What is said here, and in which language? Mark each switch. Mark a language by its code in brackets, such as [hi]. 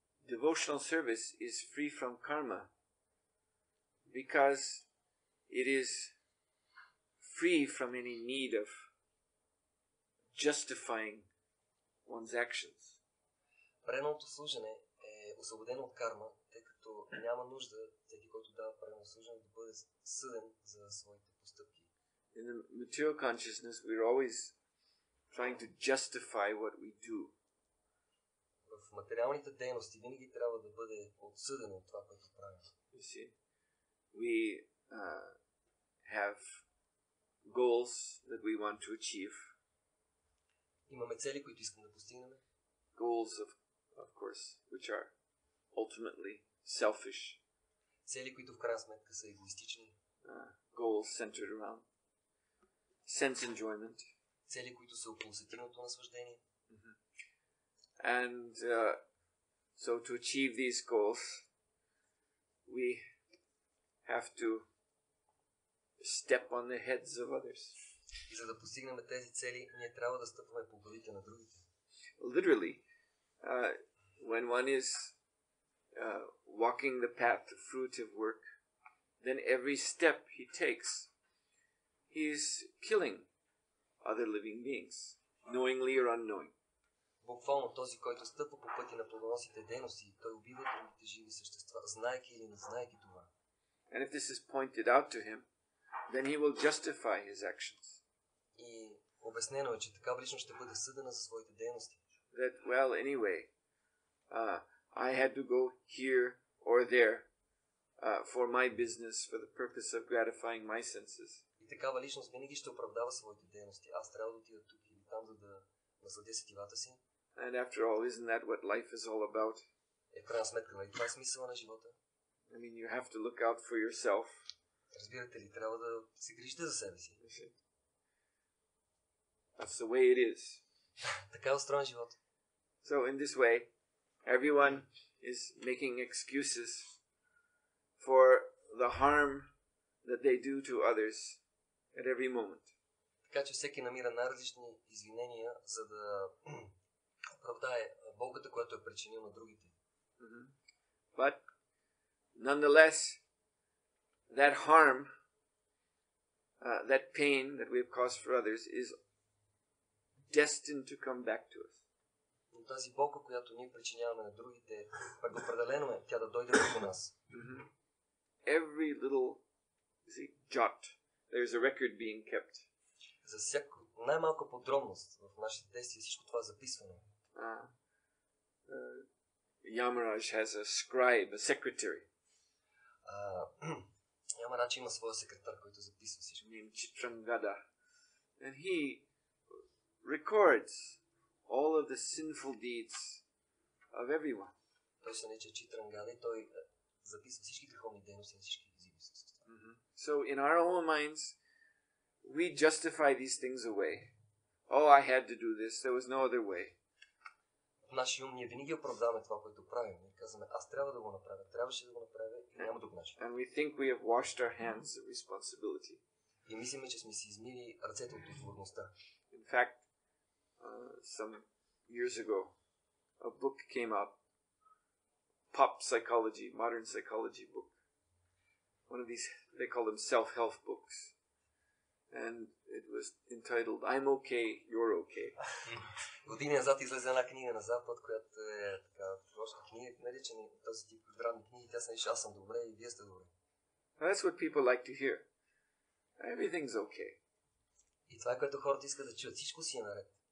[en] Devotional service is free from karma because it is free from any need of justifying one's actions. [bg] Преното служене освободен от карма, тъй като няма нужда всеки, който дава правилно служене, да бъде съден за своите постъпки. [en] In the material consciousness, we're always trying to justify what we do. [bg] В материалните дейности винаги трябва да бъде отсъдено от това, което правим. [en] You see, we have goals that we want to achieve. [bg] Имаме цели, които искам да постигнем. [en] Goals of course, which are ultimately selfish. [bg] Цели, които в крайна сметка са егоистични. [en] Goals centered around sense enjoyment. [bg] Цели, които са около сетивното наслаждение. [en] And so to achieve these goals, we have to step on the heads of others. [bg] И за да постигнем тези цели, ние трябва да стъпваме по главите на другите. [en] Literally, when one is walking the path of fruitive work, then every step he takes, he is killing other living beings, knowingly or unknowing. [bg] Буквално този, който стъпва по пъти на плодоносните дейности, той убива другите живи същества, знаеки или не знаеки това. [en] And if this is pointed out to him, then he will justify his actions. [bg] И обяснено е, че така лично ще бъде съдена за своите дейности. [en] That, well, anyway, I had to go here or there for my business for the purpose of gratifying my senses. [bg] И такава личност винаги ще оправдава своите дейности. Аз трябва да отида тук или там, за да насладя сетивата си. [en] And after all, isn't that what life is all about? [bg] Е, крайна сметка, нали това е смисъла на живота? [en] I mean, you have to look out for yourself. [bg] Разбирате ли, трябва да се грижите за себе си. [en] That's the way it is. [bg] Така е устроен живот. [en] So in this way, everyone is making excuses for the harm that they do to others at every moment. [bg] Така че всеки намира най-различни извинения, за да оправдае болката, която е причинил на другите. [en] But nonetheless, that harm, that pain that we have caused for others is destined to come back to us. [bg] Но тази болка, която ние причиняваме на другите, предопределено е тя да дойде върху нас. [en] Every little, see, jot, there is a record being kept. [bg] За всяко най-малка подробност в нашите действия, всичко това е записвано. [en] Yamaraj has a scribe, a secretary. [bg] Yamaraj има своя секретар, който записва всичко. [en] Named Chitrangada. And he records all of the sinful deeds of everyone. [bg] Той се нарича Chitrangada и той записва всички греховни дейности на всички зиби същества. [en] So in our own minds, we justify these things away. Oh, I had to do this. There was no other way. [bg] Наши ум, ние винаги оправдаваме това, което правим. Ние казваме, аз трябва да го направя, трябваше да го направя и няма друг начин. [en] And we think we have washed our hands of responsibility. [bg] И мислиме, че сме си измили ръцете от отговорността. [en] In fact, some years ago, a book came out. Pop psychology, modern psychology book. One of these, they call them self-help books. And it was entitled "I'm Okay, You're Okay." [bg] Години назад излезе една книга на Запад, която е така просто книга, наречена този тип здравни книги. Тя се нарича "Аз съм добре и вие сте добре." [en] That's what people like to hear. Everything's okay. [bg] И това, което хората искат да чуят, всичко си е наред.